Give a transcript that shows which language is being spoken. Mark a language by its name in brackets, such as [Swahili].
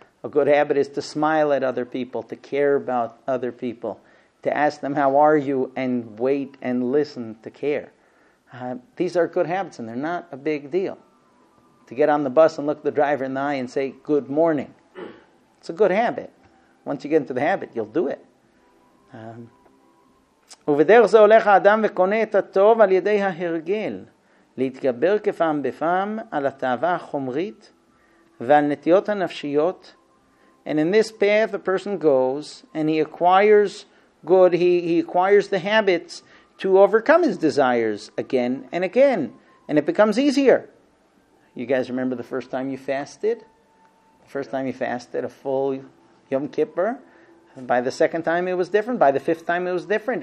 [English] A good habit is to smile at other people, to care about other people, to ask them how are you and wait and listen to care. These are good habits and they're not a big deal. To get on the bus and look the driver in the eye and say, good morning. It's a good habit. Once you get into the habit, you'll do it. [Hebrew] ובדרך זה הולך האדם וקונה את הטוב על ידי ההרגל, להתגבר כפעם בפעם על התאווה החומרית ועל נטיות הנפשיות. [English] And in this path, a person goes and he acquires good, he acquires the habits to overcome his desires again and again. And it becomes easier. You guys remember the first time you fasted? The first time you fasted, a full Yom Kippur? And by the second time it was different, by the fifth time it was different.